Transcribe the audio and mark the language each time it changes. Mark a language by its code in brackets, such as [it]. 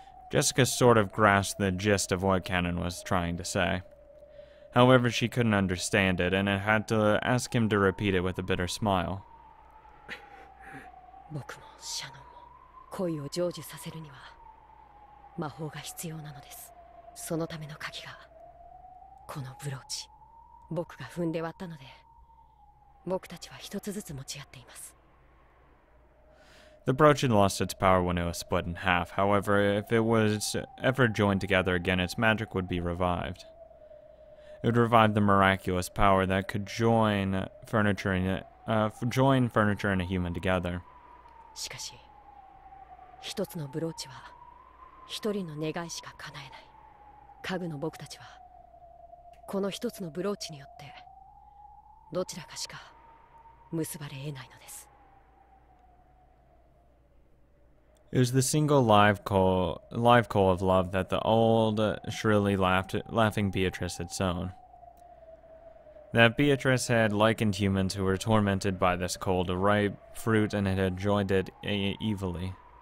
[en] Jessica sort of grasped the gist of what Cannon was trying to say. However, she couldn't understand it, and it had to ask him to repeat it with a bitter smile. [ja] 僕もシャノンも恋を成就させるには魔法が必要なのです。そのための鍵がこのブローチ。僕が踏んで割ったので、僕たちは一つずつ持ち合っています。 [en] The brooch had lost its power when it was split in half. However, if it was ever joined together again, its magic would be revived. It would revive the miraculous power that could join furniture in furniture and a human together. [ja] しかし、一つのブローチは一人の願いしか叶えない。家具の僕たちはこの一つのブローチによってどちらかしか結ばれ得ないのです。 [en] Is the single live coal of love that the old, shrilly laughing Beatrice had sown. That Beatrice had likened humans who were tormented by this coal to ripe fruit and had enjoyed it evilly.